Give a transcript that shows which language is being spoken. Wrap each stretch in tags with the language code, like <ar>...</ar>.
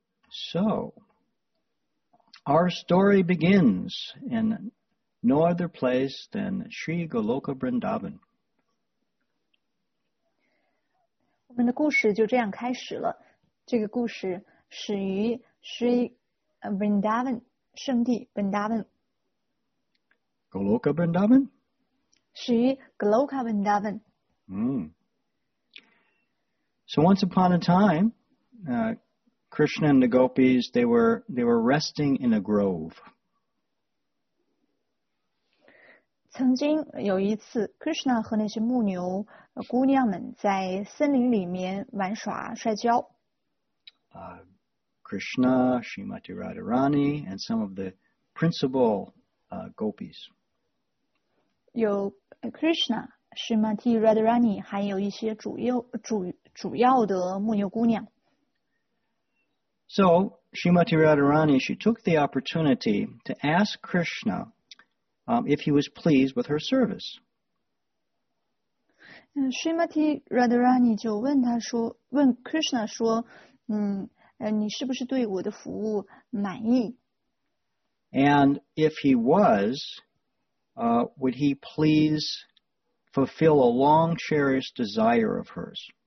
<en>So, our story begins in no other place than Sri Goloka Vrindavan.</en> <zh>我们的故事就这样开始了。这个故事始于Sri Vrindavan, 圣地, Vrindavan.</zh> <en>Goloka Vrindavan? Sri Goloka Vrindavan. So once upon a time, Krishna and the gopis they were resting in a grove.</en> <zh>曾经有一次, Krishna 和那些牧牛姑娘们在森林里面玩耍摔跤。</zh> <en>Krishna, Srimati Radharani, and some of the principal gopis.</en> <zh>有 Krishna, Srimati Radharani, 还有一些主要的牧牛姑娘。</zh> <en>So, Srimati Radharani, she took the opportunity to ask Krishna if he was pleased with her service.</en> <zh>Srimati Radharani 就问 Krishna 说, 你是不是对我的服务满意?</zh> <en>And if he was, would he please fulfill a long-cherished desire of hers?</en>